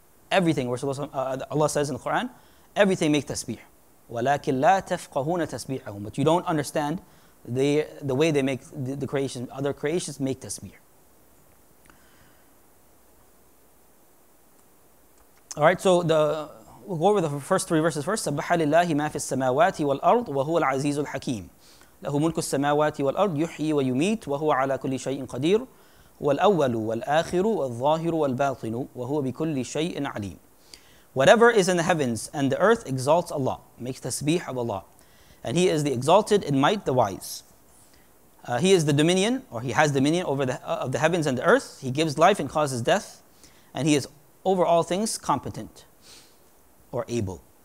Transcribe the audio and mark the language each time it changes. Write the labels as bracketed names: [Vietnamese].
[English] Everything, where Allah says in the Quran, everything makes tasbih. [Arabic] وَلَكِنْ لَا تَفْقَهُونَ تَسْبِيحَهُمْ. [English] But you don't understand the way they make the creation, other creations make tasbih. Alright, so we'll go over the first three verses first. [Arabic] سَبَّحَ لِلَّهِ مَا فِي السَّمَاوَاتِ وَالْأَرْضِ وَهُوَ الْعَزِيزُ الْحَكِيمِ لَهُ مُلْكُ السَّمَاوَاتِ وَالْأَرْضِ يُحْيِي وَيُمِيتُ وَهُوَ عَلَى كُلِّ شَيْءٍ قَدِيرٌ والأول والآخر والظاهر والباطن وهو بكل شيء عليم. [English] Whatever is in the heavens and the earth exalts Allah, makes tasbih of Allah. And He is the exalted in might, the wise. He is the dominion, or He has dominion over of the heavens and the earth. He gives life and causes death. And He is over all things competent or able.